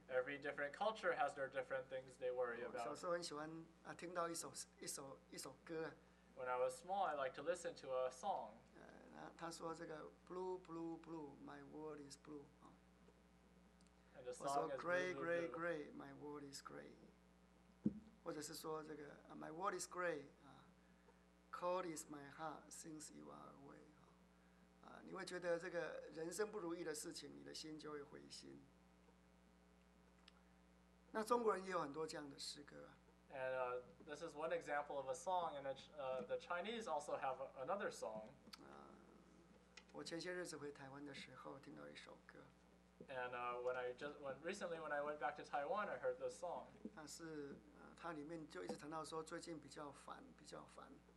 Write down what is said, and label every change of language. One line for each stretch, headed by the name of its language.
English: Every different culture has their different things they worry about.
Chinese: 小时候很喜欢听到一首歌。
English: When I was small, I liked to listen to a song.
Chinese: 他说这个
English: blue, blue, blue, my world is blue. And the song is gray, blue, gray, blue. Gray, my world is gray.
Chinese: 或者是说这个
English: my world is gray. Cold is my heart since you are away.
Chinese: 你会觉得这个人生不如意的事情，你的心就会灰心。那中国人也有很多这样的诗歌。
English: And this is one example of a song, and the Chinese also have another song.
Chinese: 我前些日子回台湾的时候听到一首歌。
English: And when I went back to Taiwan, I heard this song.
Chinese: 但是它里面就一直谈到说最近比较烦，比较烦。